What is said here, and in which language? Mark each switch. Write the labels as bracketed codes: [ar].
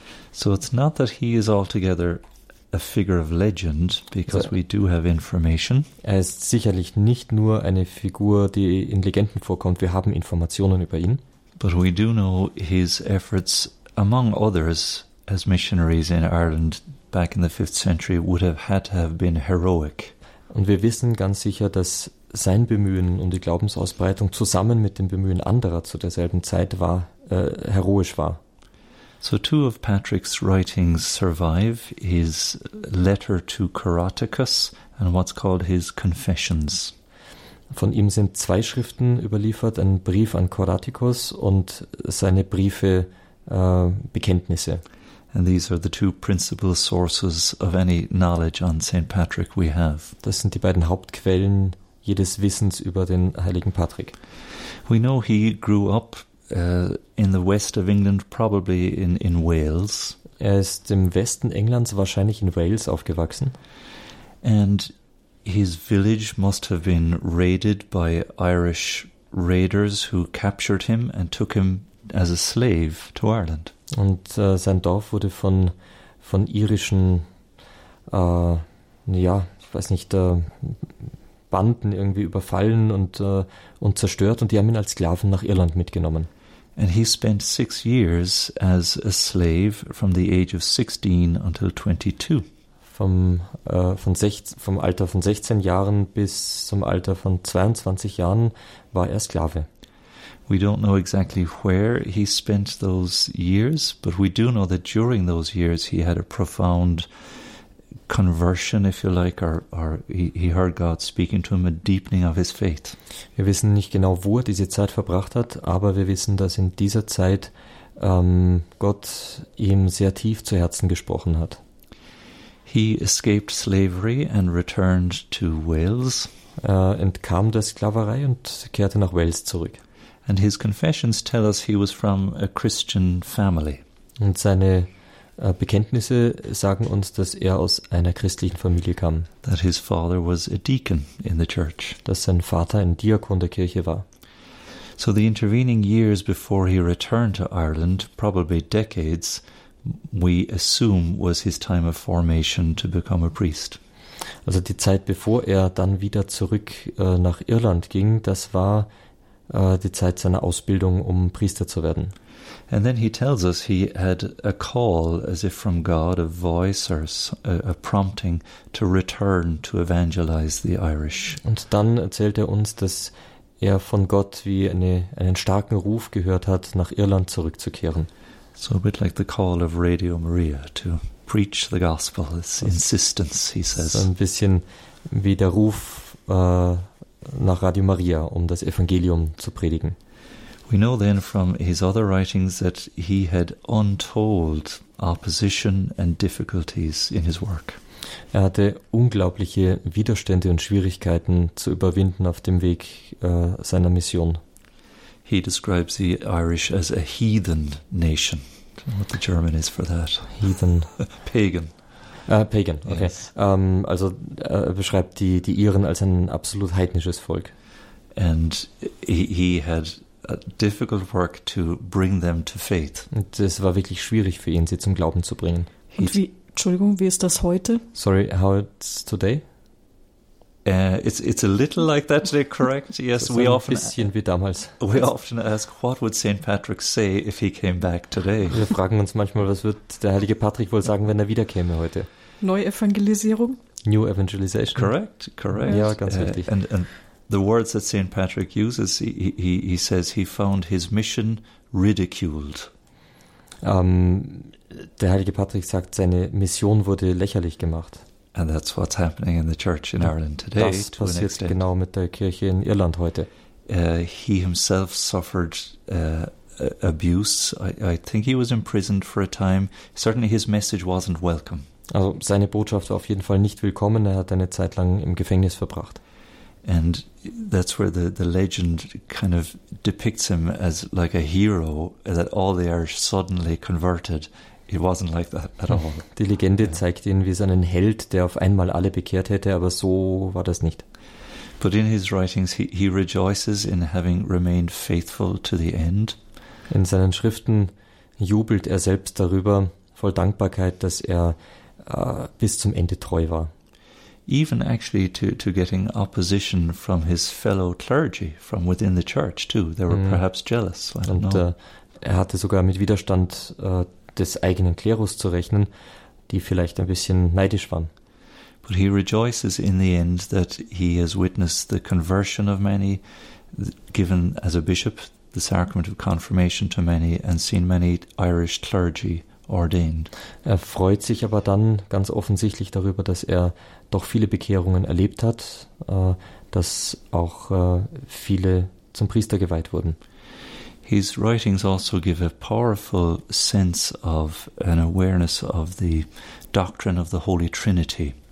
[en] So it's not that he is altogether a figure of legend, because we do have information. [de] Er ist sicherlich nicht nur eine Figur, die in Legenden vorkommt. Wir haben Informationen über ihn. [en] But we do know his efforts, among others, as missionaries in Ireland back in the 5th century, would have had to have been heroic. [de] Und wir wissen ganz sicher, dass sein Bemühen um die Glaubensausbreitung zusammen mit dem Bemühen anderer zu derselben Zeit war, heroisch war. [en] So two of Patrick's writings survive, his letter to Caratacus and what's called his Confessions. [de] Von ihm sind 2 Schriften überliefert, ein Brief an Caratacus und seine Briefe Bekenntnisse. [en] And these are the 2 principal sources of any knowledge on St. Patrick we have. [de] Das sind die beiden Hauptquellen jedes Wissens über den heiligen Patrick. [en] We know he grew up in the west of England, probably in Wales. [de] Er ist im Westen Englands, wahrscheinlich in Wales, aufgewachsen. [en] And his village must have been raided by Irish raiders who captured him and took him as a slave to Ireland. [de] Und sein Dorf wurde von irischen, Banden irgendwie überfallen und zerstört und die haben ihn als Sklaven nach Irland mitgenommen. [en] And he spent 6 years as a slave from the age of 16 until 22. [de] Vom Alter von 16 Jahren bis zum Alter von 22 Jahren war er Sklave. [en] We don't know exactly where he spent those years, but we do know that during those years he had a profound conversion, if you like, or he heard God speaking to him, a deepening of his faith. [de] Wir wissen nicht genau, wo er diese Zeit verbracht hat, aber wir wissen, dass in dieser Zeit Gott ihm sehr tief zu Herzen gesprochen hat. [en] He escaped slavery and returned to Wales. [de] Er entkam der Sklaverei und kehrte nach Wales zurück. [en] And his confessions tell us he was from a Christian family. [de] Und seine Bekenntnisse sagen uns, dass er aus einer christlichen Familie kam. [en] That his father was a deacon in the church. [de] Dass sein Vater ein Diakon der Kirche war. [en] So the intervening years before he returned to Ireland, probably decades, we assume was his time of formation to become a priest. [de] Also die Zeit, bevor er dann wieder zurück nach Irland ging, das war die Zeit seiner Ausbildung, um Priester zu werden. [en] And then he tells us he had a call, as if from God, a voice or a prompting to return to evangelize the Irish. [de] Und dann erzählt er uns, dass er von Gott wie einen starken Ruf gehört hat, nach Irland zurückzukehren. [en] So a bit like the call of Radio Maria to preach the gospel, its insistence, he says. [de] So ein bisschen wie der Ruf nach Radio Maria, um das Evangelium zu predigen. [en] We know then from his other writings that he had untold opposition and difficulties in his work. [de] Er hatte unglaubliche Widerstände und Schwierigkeiten zu überwinden auf dem Weg seiner Mission. [en] He describes the Irish as a heathen nation. I don't know what the German is for that. Heathen. Pagan. Pagan, okay. Yes. [de] Also er beschreibt die Iren als ein absolut heidnisches Volk. [en] And he had a difficult work to bring them to faith. [de] Und es war wirklich schwierig für ihn, sie zum Glauben zu bringen. Entschuldigung, wie ist das heute? [en] Sorry, how it's today? It's a little like that today, correct? Yes, so we ein often bisschen wie damals. We often ask, what would St. Patrick say if he came back today? [de] Wir fragen uns manchmal, was wird der heilige Patrick wohl sagen, wenn er wiederkäme heute? Neuevangelisierung? [en] New Evangelization. Correct, correct. [de] Ja, ganz richtig. [en] And the words that St. Patrick uses, he says he found his mission ridiculed. [de] Der heilige Patrick sagt, seine Mission wurde lächerlich gemacht. [en] And that's what's happening in the church in Ireland today. [de] Das passiert genau mit der Kirche in Irland heute. [en] He himself suffered abuse. I think he was imprisoned for a time. Certainly his message wasn't welcome. [de] Also seine Botschaft war auf jeden Fall nicht willkommen. Er hat eine Zeit lang im Gefängnis verbracht. [en] And that's where the legend kind of depicts him as like a hero, that all the Irish suddenly converted. It wasn't like that at all. [de] Die Legende zeigt ihn wie seinen Held, der auf einmal alle bekehrt hätte, aber so war das nicht. [en] But in his writings he rejoices in having remained faithful to the end. [de] In seinen Schriften jubelt er selbst darüber, voll Dankbarkeit, dass er bis zum Ende treu war. [en] Even actually to getting opposition from his fellow clergy, from within the church too. They were perhaps jealous. I don't know. [de] Er hatte sogar mit Widerstand des eigenen Klerus zu rechnen, die vielleicht ein bisschen neidisch waren. [en] But he rejoices in the end that he has witnessed the conversion of many, given as a bishop the sacrament of confirmation to many and seen many Irish clergy ordained. [de] Er freut sich aber dann ganz offensichtlich darüber, dass er doch viele Bekehrungen erlebt hat, dass auch viele zum Priester geweiht wurden. [en] His writings also give a powerful sense of an awareness of the doctrine of the Holy Trinity.